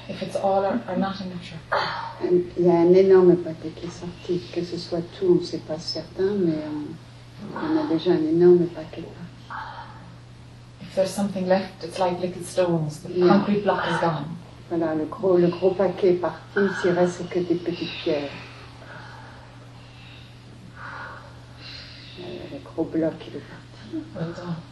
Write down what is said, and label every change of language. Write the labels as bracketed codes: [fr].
[en] If it's all or not, I'm not sure. [fr] Il y a un énorme pâté qui est sorti. Que ce soit tout, on ne sait pas certain, mais on a déjà un énorme paquet. [en] If there's something left, it's like little stones. The yeah. Concrete block is gone. [fr] Voilà, le gros paquet est parti. S'il reste que des petites pierres. Le gros bloc, il est parti.